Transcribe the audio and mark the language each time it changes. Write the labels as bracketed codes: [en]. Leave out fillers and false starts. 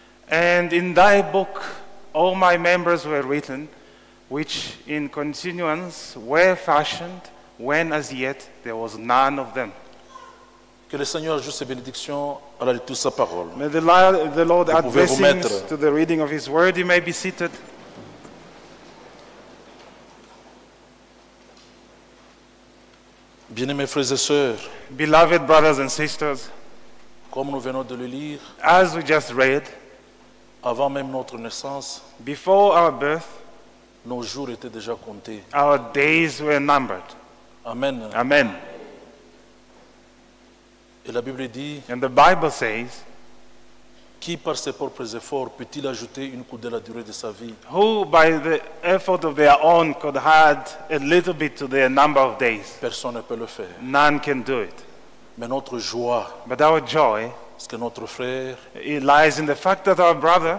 [en] And in thy book all my members were written, which in continuance were fashioned, when as yet there was none of them. [fr] Que le Seigneur ajoute ses bénédictions à la lecture de sa parole. [en] May the Lord add blessings to the reading of his word. You may be seated. [fr] B Bien-aimés frères et sœurs, [en] beloved brothers and sisters, [fr] comme nous venons de le lire, [en] as we just read, [fr] avant même notre naissance, [en] before our birth, [fr] nos jours étaient déjà comptés. [en] Our days were numbered. Amen. Amen. [fr] Et la Bible dit, [en] and the Bible says, [fr] qui par ses propres efforts peut-il ajouter une coude à la durée de sa vie? [en] Who by the effort of their own could add a little bit to their number of days? [fr] Personne ne peut le faire. [en] None can do it. [fr] Mais notre joie, [en] but our joy, [fr] ce que notre frère, [en] it lies in the fact that our brother,